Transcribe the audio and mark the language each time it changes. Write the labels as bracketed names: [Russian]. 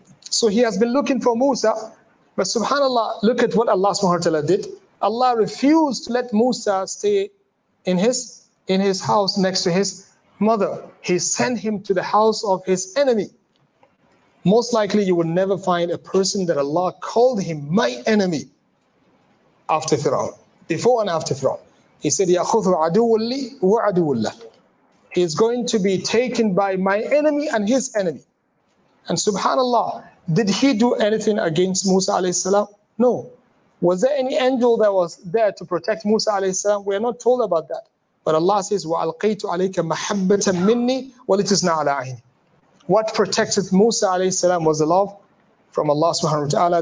[English] So he has been looking for Musa, but subhanAllah, look at what Allah subhanahu wa ta'ala did. Allah refused to let Musa stay in his house next to his mother. He sent him to the house of his enemy. Most likely you will never find a person that Allah called him my enemy after Fir'aun, before and after Fir'aun. He said, [Arabic] يَأْخُذُ عَدُوٌ لِي وَعَدُوٌ لَهُ. [English] He is going to be taken by my enemy and his enemy. And subhanAllah, did he do anything against Musa alayhi salam? No. Was there any angel that was there to protect Musa alayhi salam? We are not told about that. But Allah says, [Arabic] وَأَلْقَيْتُ عَلَيْكَ مَحَبَّةً مِنِّي وَلِتِسْنَا عَلَىٰ عَيْنِ. [English] What protected Musa alayhi salam was the love from Allah subhanahu wa ta'ala.